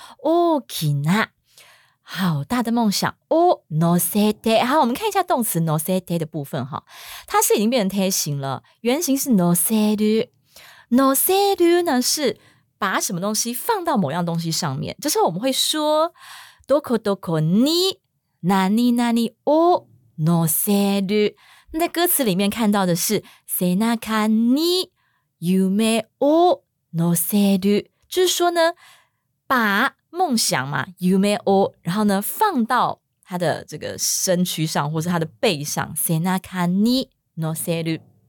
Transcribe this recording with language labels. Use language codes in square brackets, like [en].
[ja] 大きな， [zh] 好大的梦想。 [ja] を乗せて， [zh] 好，我们看一下动词乗せて的部分哈，它是已经变成贴形了，原型是乗せる。 [ja] 乗せる [zh] 呢是把什么东西放到某样东西上面，就是我们会说 [ja] どこどこに何々を乗せる。 [zh] 那在歌词里面看到的是 [ja] 背中に夢を乗せる， [zh] 就是说呢把梦想嘛 [ja] 夢を， [zh] 然后呢放到他的这个身躯上或是他的背上， [ja] 背中に乗せる。